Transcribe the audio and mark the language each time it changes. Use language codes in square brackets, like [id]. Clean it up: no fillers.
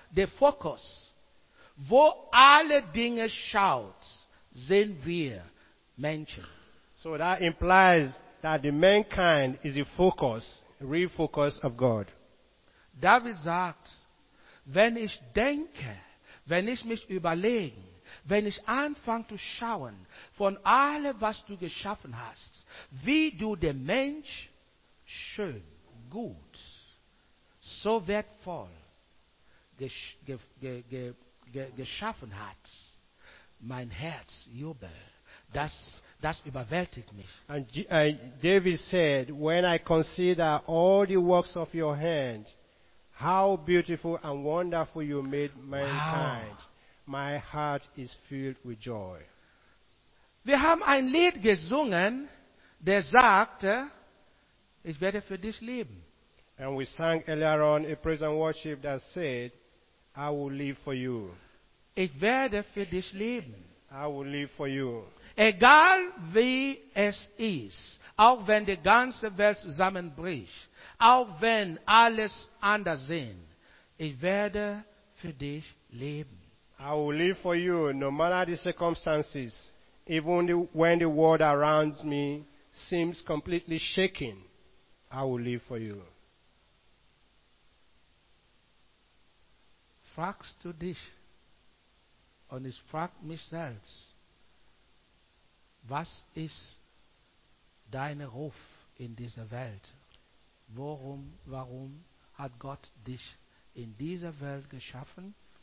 [de] Der Fokus, wo alle Dinge schaut, sind wir Menschen. [en] So that implies that the mankind is the focus, real focus of God. [de] David sagt, wenn ich denke, wenn ich mich überlege, wenn ich anfange zu schauen von allem, was du geschaffen hast, wie du den Mensch schön, gut, so wertvoll geschaffen hat, mein Herz jubelt, das überwältigt mich. [en] And David said, when I consider all the works of your hand, how beautiful and wonderful you made mankind. Wow. My heart is filled with joy. [de] Wir haben ein Lied gesungen, der sagte, ich werde für dich leben. [en] And we sang earlier on a praise and worship that said, I will live for you. [de] Ich werde für dich leben. [en] I will live for you. [de] Egal wie es ist, auch wenn die ganze Welt zusammenbricht, auch wenn alles anders ist, ich werde für dich leben. [en] I will live for you, no matter the circumstances, even when the world around me seems completely shaken, I will live for you. [de] Fragst du dich, und ich frag mich selbst, was ist dein Ruf in dieser Welt? Warum hat Gott dich in dieser Welt geschaffen?